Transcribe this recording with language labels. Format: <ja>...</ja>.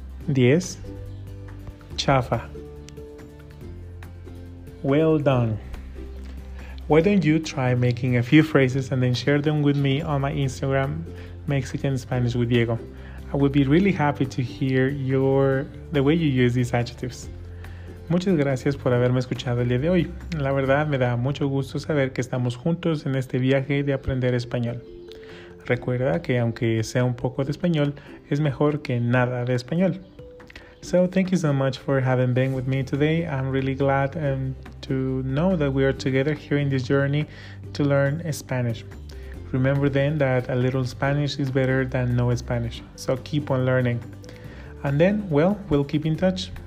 <en>10. Chafa. Well done. Why don't you try making a few phrases and then share them with me on my Instagram, Mexican Spanish with Diego. I would be really happy to hear the way you use these adjectives.</en> <es>Muchas gracias por haberme escuchado el día de hoy. La verdad, me da mucho gusto saber que estamos juntos en este viaje de aprender español. Recuerda que aunque sea un poco de español, es mejor que nada de español.</es> <en>So, thank you so much for having been with me today. I'm really glad to know that we are together here in this journey to learn Spanish. Remember then that a little Spanish is better than no Spanish. So, keep on learning. And then, well, we'll keep in touch.</en>